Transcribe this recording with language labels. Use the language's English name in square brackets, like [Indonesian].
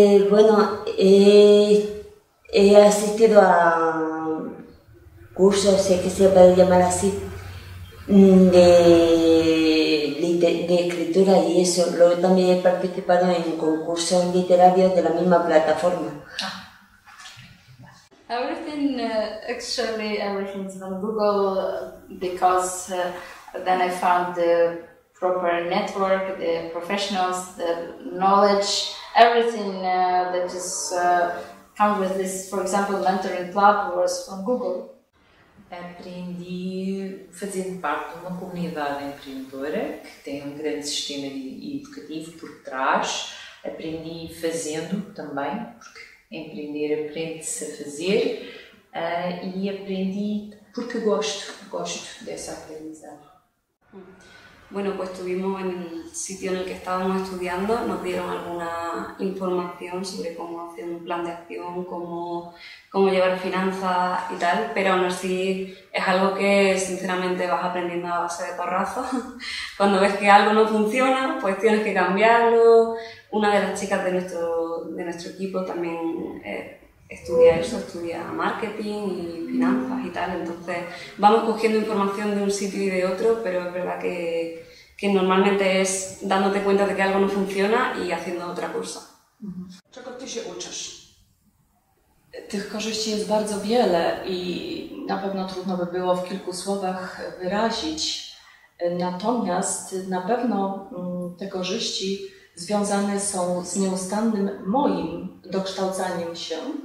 [Spanish] Bueno, he asistido a cursos, si es que se puede llamar así, de escritura y eso. Luego también he participado en concursos literarios de la misma plataforma. [English] Everything, actually everything's on Google, because then I found the proper network, the professionals, the knowledge, everything that is come with this, for example, mentoring club was from Google. [Portuguese] Aprendi fazendo parte de uma comunidade empreendedora que tem um grande sistema educativo por trás. Aprendi fazendo também, porque empreender aprende-se a fazer. E aprendi porque gosto dessa aprendizagem. [Spanish] Bueno, pues estuvimos en el sitio en el que estábamos estudiando, nos dieron alguna información sobre cómo hacer un plan de acción, cómo llevar finanzas y tal, pero aún así es algo que sinceramente vas aprendiendo a base de porrazos. Cuando ves que algo no funciona, pues tienes que cambiarlo. Una de las chicas de nuestro equipo también estudia eso, estudia marketing y finanzas y tal, entonces vamos cogiendo información de un sitio y de otro, pero es verdad que normalmente es dándote cuenta de que algo no funciona y haciendo otra cosa. [Polish] Czego ty się uczysz? Tych korzyści jest bardzo wiele i na pewno trudno by było w kilku słowach wyrazić, natomiast na pewno te korzyści związane są z nieustannym moim dokształcaniem się.